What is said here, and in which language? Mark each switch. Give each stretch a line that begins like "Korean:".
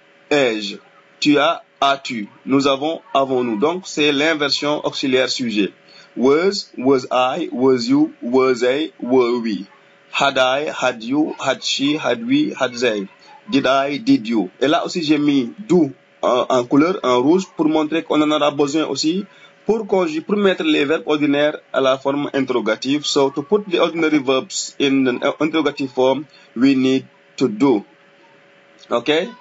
French: Ai-je, tu as-tu, nous avons-nous. Donc c'est l'inversion auxiliaire-sujet.
English: Was I, was you, was they, were we. Had I, had you, had she, had we, had they. Did I, did you.
French: Et là aussi j'ai mis do en couleur, en rouge, pour montrer qu'on en aura besoin aussi pour mettre les verbes ordinaires à la forme interrogative.
English: So to put the ordinary verbs in an interrogative form, we need to do. Ok?